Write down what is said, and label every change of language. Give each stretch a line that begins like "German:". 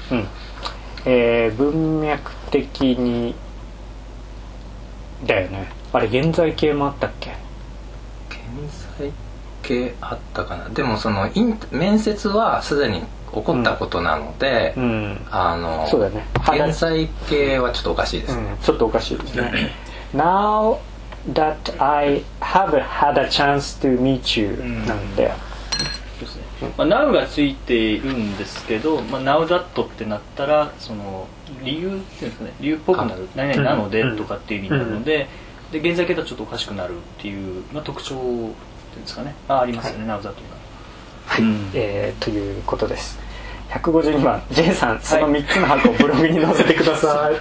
Japanese: 。 うん。文脈的にだよね。あれ現在形もあったっけ？現在形あったかな。でもその面接はすでに起こったことなので、うんうん、そうだね。現在形はちょっとおかしいですね。うん、ちょっとおかしいですね。
English: Now that I have had a chance to meet you、
Japanese: うん、なんで、まあ、Now がついているんですけど、まあ、Now that ってなったらその理由っていうんですかね、理由っぽくなる、何々なのでとかっていう意味なの で、うん、で現在形だとちょっとおかしくなるっていう、まあ、特徴っていうんですかね、まあ、ありますよね、はい、Now that が、はい、うん、ということです。152番 J さん、その3つの箱をブログに載せてください。